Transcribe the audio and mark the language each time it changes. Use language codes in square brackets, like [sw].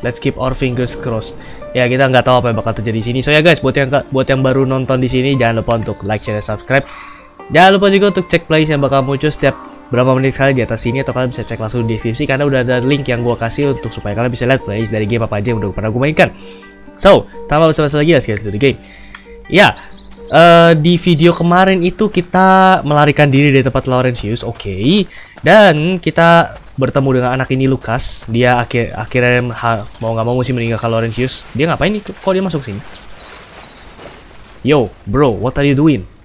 [en] Let's keep our fingers crossed. [id] Ya, kita enggak tahu apa yang bakal terjadi di sini. So ya guys, buat yang baru nonton di sini, jangan lupa untuk like, share, dan subscribe. Jangan lupa juga untuk cek playlist yang bakal muncul setiap berapa menit kali di atas sini, atau kalian bisa cek langsung di deskripsi karena udah ada link yang gua kasih untuk supaya kalian bisa lihat playlist dari game apa aja yang udah pernah gua mainkan. [en] So, [id] tanpa basa-basi lagi, [en] let's get to the game. [id] Ya. Di video kemarin itu kita melarikan diri dari tempat Laurentius, okay. Dan kita bertemu dengan anak ini Lucas. Dia akhirnya mau gak mau mesti meninggalkan Laurentius. Dia ngapain nih? Kok dia masuk sini? [en] Yo, bro, what are you doing?